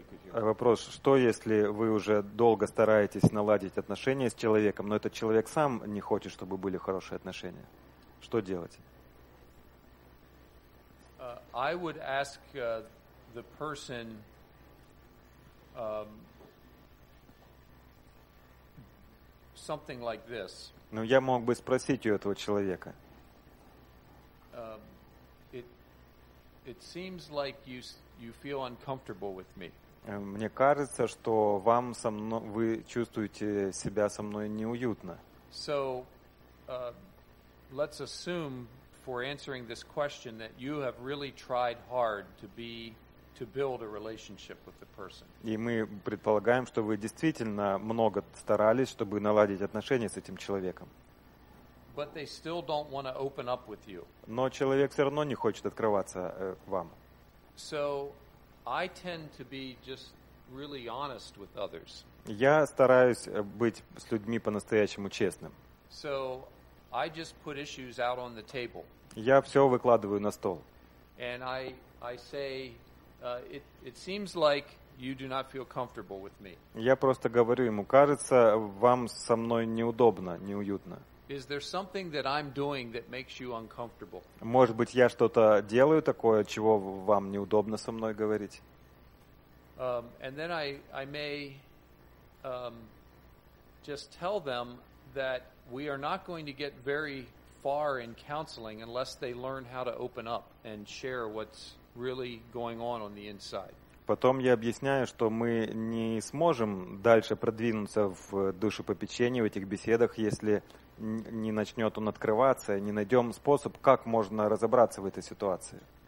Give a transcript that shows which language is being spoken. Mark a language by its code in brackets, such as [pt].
[ru] Вопрос, что если вы уже долго стараетесь наладить отношения с человеком, но этот человек сам не хочет, чтобы были хорошие отношения? Что делать? [en] I would ask the person something like this. [ru] Ну, я мог бы спросить у этого человека. [en] It seems like you feel uncomfortable with me. [ru] Мне кажется, что вам со мной, вы чувствуете себя со мной неуютно. [en] So, let's assume for answering this question that you have really tried hard to build a relationship with the person. [ru] И мы предполагаем, что вы действительно много старались, чтобы наладить отношения с этим человеком. [en] But they still don't want to open up with you. [ru] Но человек все равно не хочет открываться вам. [en] So I tend to be just really honest with others. [ru] Я стараюсь быть с людьми по-настоящему честным. [en] So I just put issues out on the table. [ru] Я все выкладываю на стол. [en] And I say, it seems like you do not feel comfortable with me. [ru] Я просто говорю ему, кажется, вам со мной неудобно, неуютно. [en] Is there something that I'm doing that makes you uncomfortable? [ru] Может быть, я что-то делаю такое, чего вам неудобно со мной говорить? [en] And then I may just tell them that we are not going to get very far in counseling unless they learn how to open up and share what's really going on the inside. [ru] Потом я объясняю, что мы не сможем дальше продвинуться в душепопечении в этих беседах, если не начнет он открываться, не найдем способ, как можно разобраться в этой ситуации.